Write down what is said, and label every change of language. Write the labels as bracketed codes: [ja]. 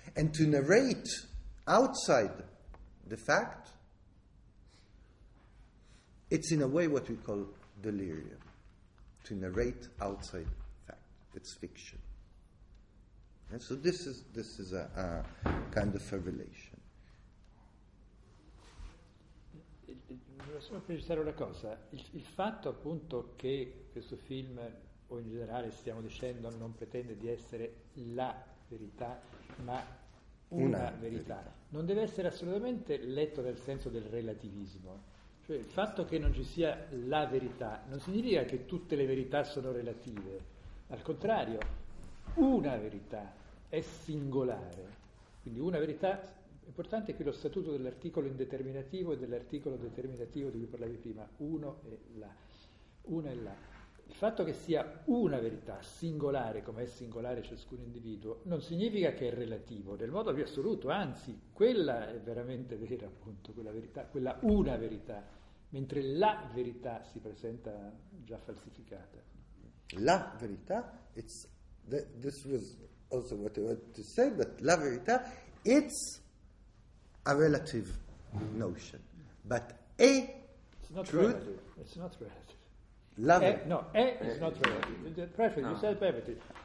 [en] And to narrate outside the fact, it's in a way what we call delirium. To narrate outside fact, it's fiction. And so this is a kind of a relation. [it] Volevo solo precisare una cosa. Il fatto appunto che questo film, o in generale stiamo dicendo, non pretende di essere la verità, ma una verità, non deve essere assolutamente letto nel senso del relativismo. Cioè, il fatto che non ci sia la verità non significa che tutte le verità sono relative. Al contrario, una verità è singolare, quindi una verità importante è qui lo statuto dell'articolo indeterminativo e dell'articolo determinativo di cui parlavi prima, uno e là. Il fatto che sia una verità singolare, come è singolare ciascun individuo, non significa che è relativo nel modo più assoluto, anzi quella è veramente vera, appunto quella verità, quella una verità, mentre la verità si presenta già falsificata. La verità, [en] this was also what I want to say, that [it] la verità, [en] it's a relative notion. But a truth... It's not relative. [it] La verità. [en] No, a is not relative. Perfect, no. You said perfect.